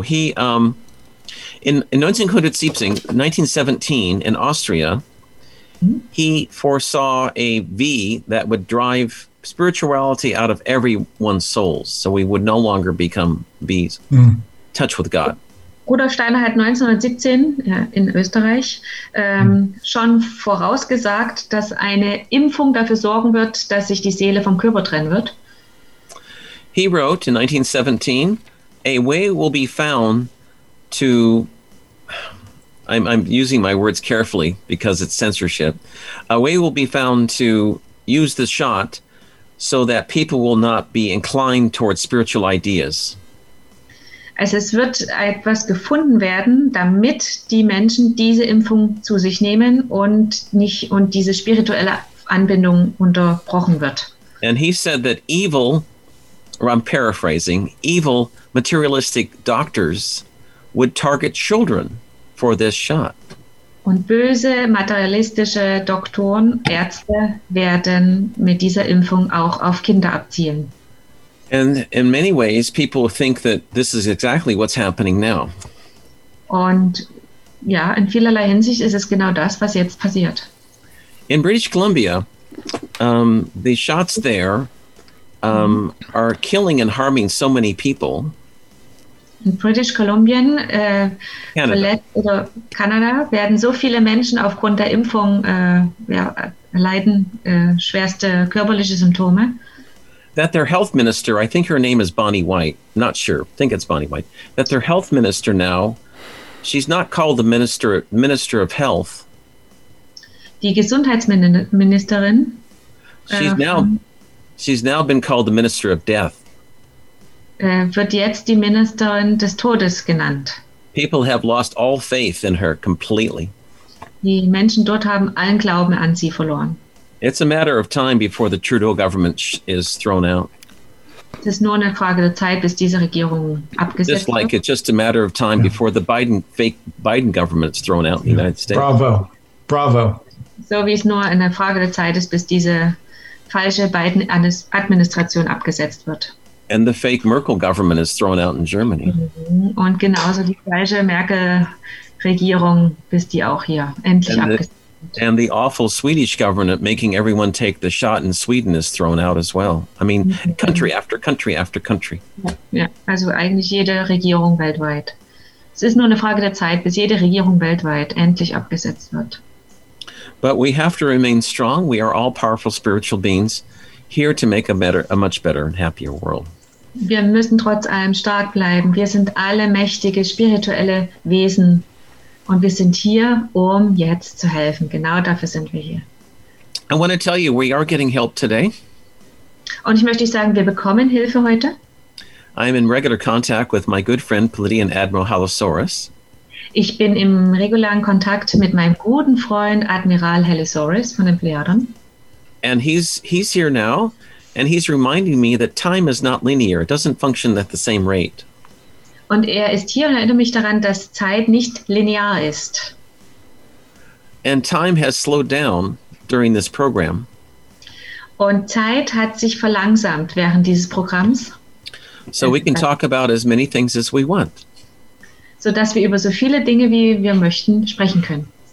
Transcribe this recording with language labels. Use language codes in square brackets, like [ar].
[en] He, in 1917, in Austria, he foresaw a V that would drive spirituality out of everyone's souls, so we would no longer become bees, touch with God. [de] Rudolf Steiner hat 1917 in Österreich schon vorausgesagt, dass eine Impfung dafür sorgen wird, dass sich die Seele vom Körper trennen wird. [en] He wrote in 1917, a way will be found to, I'm using my words carefully because it's censorship, a way will be found to use the shot so that people will not be inclined towards spiritual ideas. [de] Also es wird etwas gefunden werden, damit die Menschen diese Impfung zu sich nehmen und nicht und diese spirituelle Anbindung unterbrochen wird. [en] And he said that evil, or I'm paraphrasing, evil materialistic doctors would target children for this shot. [de] Und böse materialistische Doktoren, Ärzte werden mit dieser Impfung auch auf Kinder abzielen. [en] And in many ways, people think that this is exactly what's happening now. [de] Und ja, in vielerlei Hinsicht ist es genau das, was jetzt passiert. [en] In British Columbia, the shots there are killing and harming so many people. [de] In British Columbia, Kanada, werden so viele Menschen aufgrund der Impfung leiden, schwerste körperliche Symptome. [en] That their health minister, I think her name is Bonnie White, not sure, I think it's Bonnie White, that their health minister now, she's not called the minister of health. [de] Die Gesundheitsministerin. [en] She's now been called the minister of death. [de] Wird jetzt die Ministerin des Todes genannt. [en] People have lost all faith in her completely. [de] Die Menschen dort haben allen Glauben an sie verloren. [en] It's a matter of time before the Trudeau government is thrown out. [de] Es ist nur eine Frage der Zeit, bis diese Regierung abgesetzt wird. [en] It's just a matter of time before the fake Biden government is thrown out in the United States. Bravo. [de] So wie es nur eine Frage der Zeit ist, bis diese falsche Biden-Administration abgesetzt wird. [en] And the fake Merkel government is thrown out in Germany. [de] Und genauso die falsche Merkel-Regierung, bis die auch hier endlich abgesetzt wird. [en] And the awful Swedish government making everyone take the shot in Sweden is thrown out as well. I mean, country after country after country. [de] Ja, also eigentlich jede Regierung weltweit. Es ist nur eine Frage der Zeit, bis jede Regierung weltweit endlich abgesetzt wird. But we have to remain strong. We are all powerful spiritual beings here to make a much better and happier world. Wir müssen trotz allem stark bleiben. Wir sind alle mächtige spirituelle Wesen. Und wir sind hier, um jetzt zu helfen. Genau dafür sind wir hier. [en] I want to tell you, we are getting help today. [de] Und ich möchte sagen, wir bekommen Hilfe heute. [en] I am in regular contact with my good friend, Palladian Admiral Halosaurus. [de] Ich bin im regulären Kontakt mit meinem guten Freund, Admiral Halosaurus von den Plejaden. [en] And he's here now, and he's reminding me that time is not linear. It doesn't function at the same rate. [de] Und er ist hier und erinnert mich daran, dass Zeit nicht linear ist. [en] And time has slowed down during this program. [de] Und Zeit hat sich verlangsamt während dieses Programms. [en] So we can talk about as many things as we want. [de] So dass wir über so viele Dinge, wie wir möchten, sprechen können.